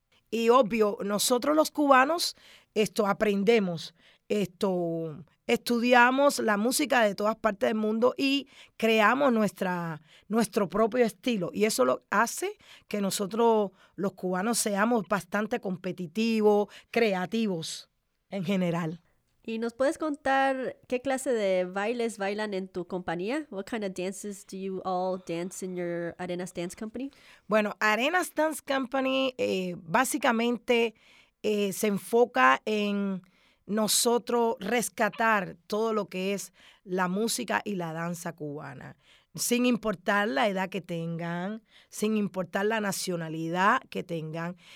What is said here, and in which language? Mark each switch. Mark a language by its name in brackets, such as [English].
[Spanish] Y obvio, nosotros los cubanos esto aprendemos, esto estudiamos la música de todas partes del mundo y creamos nuestro propio estilo. Y eso lo hace que nosotros los cubanos seamos bastante competitivos, creativos en general. ¿Y nos puedes contar qué clase de bailes bailan en tu compañía? [English] What kind of dances do you all dance in your Arenas Dance Company? [Spanish] Bueno, Arenas Dance Company básicamente se enfoca en nosotros rescatar todo lo que es la música y la danza cubana, sin importar la edad que tengan, sin importar la nacionalidad que tengan.